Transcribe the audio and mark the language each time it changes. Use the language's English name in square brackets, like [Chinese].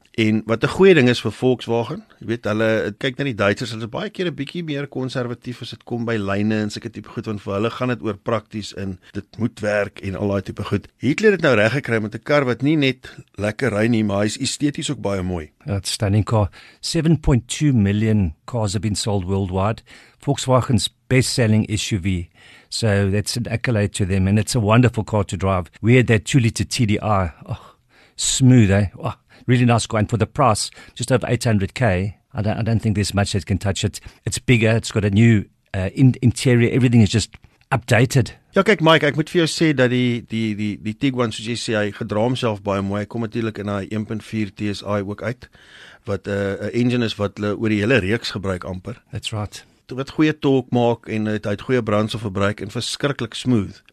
[Afrikaans] En wat 'n goeie ding is vir Volkswagen, jy weet hulle kyk na die Duitsers, hulle is baie keer 'n bietjie meer konservatief as dit kom by lyne en sulke tipe goed, want vir hulle gaan dit oor prakties en dit moet werk en al daai tipe goed. Hitler het nou reg gekry met 'n kar wat nie net lekker ry nie, maar hy's esteties ook baie mooi. [English] That's stunning car. 7.2 million cars have been sold worldwide. Volkswagen's best-selling SUV. So that's an accolade to them and it's a wonderful car to drive. We had that 2-liter TDI. Oh, smooth, eh? Oh. Really nice car, and for the price, just over 800K, I don't think there's much that can touch it. It's bigger, it's got a new interior, everything is just updated. [Afrikaans] Ja, kyk Mike, ek moet vir jou sê dat die Tiguan, soos jy sê, hy gedra homself baie mooi. Hy kom natuurlik in hy 1.4 TSI ook uit, wat a engine is wat hulle oor die hele reeks gebruik amper. [English] That's right. [Afrikaans] Wat goeie talk maak en het hy goeie brandstof verbruik en verskriklik smooth.